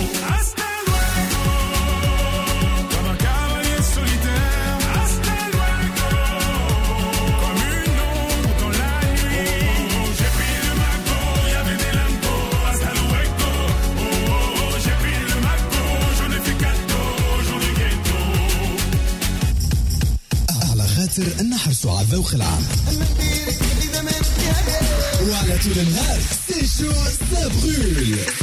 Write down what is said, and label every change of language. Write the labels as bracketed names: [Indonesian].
[Spanish] Hasta luego, [French] comme un cavalier solitaire. [Spanish] Hasta luego, [French] comme une ombre dans la nuit. Oh, oh, oh, j'ai pris le Mago, il y avait des lingots. [Spanish] Hasta luego, [French] oh, oh, oh, j'ai pris le Mago, j'en ai fait gâteau, j'en ai ghetto. [Arabic] على خاطر نحرصوا على الذوق العام. [French] Voilà tout le monde, c'est chaud, ça brûle.